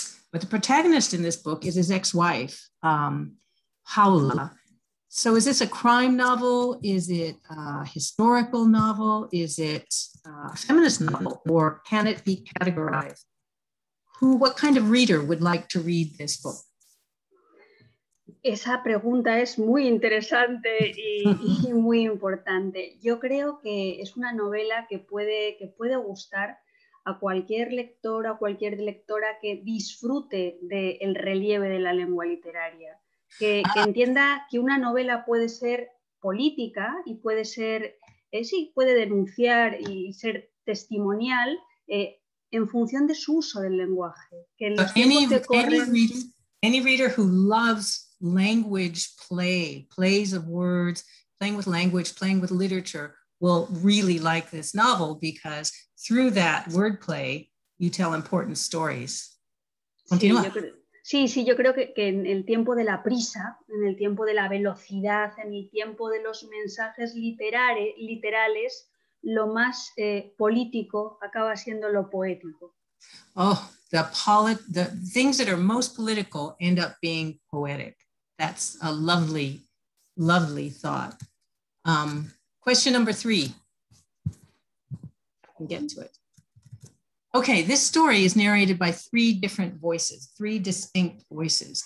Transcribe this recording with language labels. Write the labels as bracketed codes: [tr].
[en] But the protagonist in this book is his ex-wife, Paula. So is this a crime novel? Is it a historical novel? Is it a feminist novel? Or can it be categorized? What kind of reader would like to read this book? [es] Esa pregunta es muy interesante y muy importante. Yo creo que es una novela que puede gustar a cualquier lector o a cualquier lectora que disfrute del relieve de la lengua literaria, que entienda que una novela puede ser política y puede ser, sí, puede denunciar y ser testimonial en función de su uso del lenguaje. Que en los tiempos que corren... [en] Any reader who loves language plays of words, playing with language, playing with literature, will really like this novel because through that wordplay, you tell important stories. [es] Continúa. Sí, yo creo que en el tiempo de la prisa, en el tiempo de la velocidad, en el tiempo de los mensajes literales, lo más político acaba siendo lo poético. [en] Oh, the things that are most political end up being poetic. That's a lovely, lovely thought. Question number three. I can get to it. Okay, this story is narrated by three distinct voices.